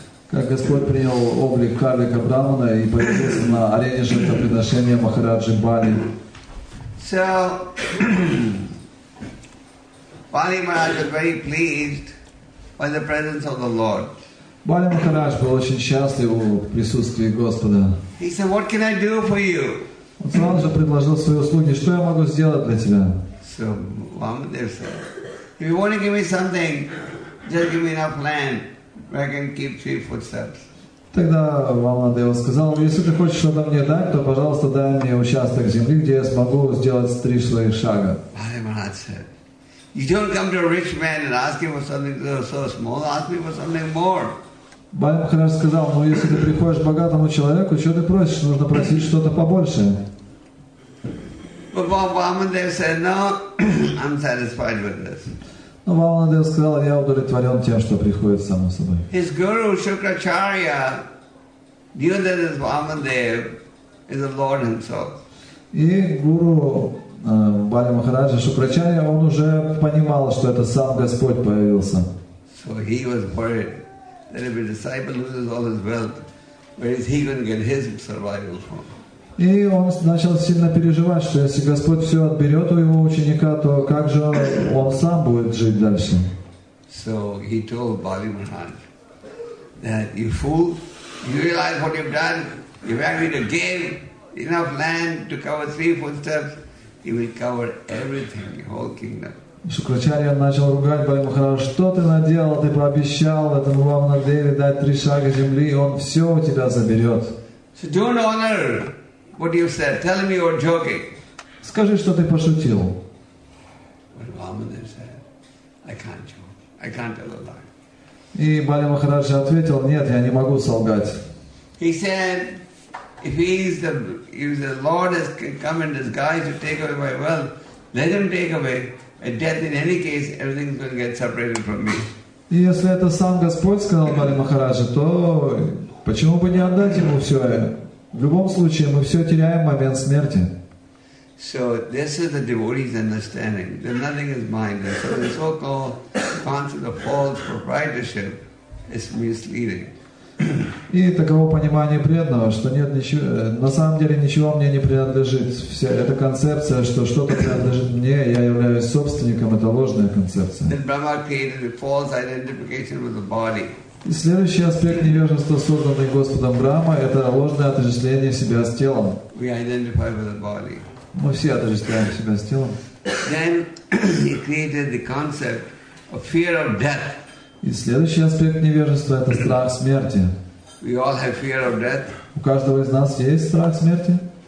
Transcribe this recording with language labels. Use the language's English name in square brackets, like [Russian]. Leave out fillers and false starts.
[Russian] Как Господь принял облик карлика Брамана и появился на арене жертвоприношения Махараджи Бали. [English] So, Bali Maharaj was very pleased by the presence of the Lord. [Russian] Бали Махарадж был очень счастлив в присутствии Господа. [English] He said, "What can I do for you?" [Russian] Он сразу же предложил свои услуги. Что я могу сделать для тебя? [English] So, Vamadeva said, "If you want to give me something, just give me enough land where I can keep 3 footsteps." [Russian] Тогда Вамадева сказал, если ты хочешь что-то мне дать, то, пожалуйста, дай мне участок земли, где я смогу сделать 3 своих шага. [English] Bali Maharaj said, "You don't come to a rich man and ask him for something so small. Ask me for something more." [Russian] Bali Maharaj сказал, "Ну, если ты приходишь к богатому человеку, что ты просишь? Нужно просить что-то побольше." [English] But Vamadeva said, "No, I'm satisfied with this." [Russian] Но Вамадева сказал, "Я удовлетворен тем, что приходит само собой." [English] His guru Shukracharya knew that this Vamadeva is the Lord himself. [Russian] И гуру Бали Махараджа Шукрачарья, он уже понимал, что это сам Господь появился. [English] So he was worried that if a disciple loses all his wealth, where is he going to get his survival from? [Russian] И он начал сильно переживать, что если Господь все отберет у его ученика, то как же он сам будет жить дальше? [English] So he told Bali Maharaj that you fool, you realize what you've done, you've agreed to give enough land to cover 3 footsteps, he will cover everything, your whole kingdom. [Russian] Шукрачарья начал ругать Бали Махараджа, что ты наделал, ты пообещал этому Вамадеве дать 3 шага земли, и он все у тебя заберет. [English] So don't honor what you said. Tell me you're joking. [Russian] Скажи, что ты пошутил. [English] But Vamadeva said, "I can't joke. I can't tell a lie." [Russian] И Бали Махараджа ответил, "Нет, я не могу солгать." [English] He said, if the Lord has come in disguise to take away my wealth, let him take away my death. In any case, everything's going to get separated from me. [Russian] И если это сам Господь сказал Бали Махараджа, то почему бы не отдать ему все? В любом случае, мы все теряем в момент смерти. [English] So this is the devotee's understanding. That nothing is mine. So the so-called concept of false proprietorship is misleading. [Russian] И таково понимание преданного, что нет ничего, на самом деле ничего мне не принадлежит. Вся эта концепция, что что-то принадлежит мне, я являюсь собственником, это ложная концепция. [English] Then Brahma created a false identification with the body. [Russian] И следующий аспект невежества, созданный Господом Брахма, это ложное отождествление себя с телом. [English] We identify with the body. [Russian] Мы все отождествляем себя с телом. [English] Then he created the concept of fear of death. [Russian] И следующий аспект невежества – это страх смерти. [English] We all have fear of death. [Russian] У каждого из нас есть страх смерти.